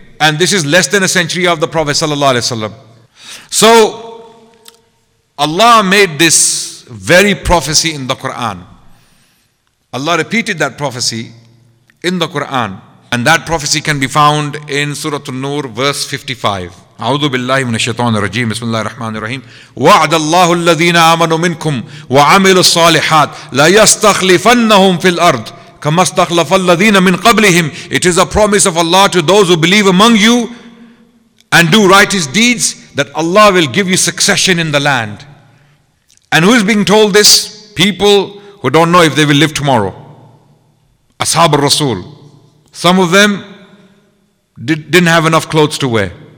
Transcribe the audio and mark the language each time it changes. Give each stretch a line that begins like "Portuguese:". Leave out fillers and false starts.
English: And this is less than a century of the Prophet sallallahu alayhi wa sallam. So, Allah made this very prophecy in the Quran. Allah repeated that prophecy in the Quran. And that prophecy can be found in Surah An-Nur, verse 55.
Arabic: أعوذ بالله من الشيطان الرجيم بسم الله الرحمن الرحيم وعد الله الذين آمنوا منكم وعملوا الصالحات لا يستخلفنهم في الأرض كما استخلف الذين من قبلهم.
English: It is a promise of Allah to those who believe among you and do righteous deeds that Allah will give you succession in the land. And who is being told this? People who don't know if they will live tomorrow. Ashab al-Rasul. Some of them didn't have enough clothes to wear.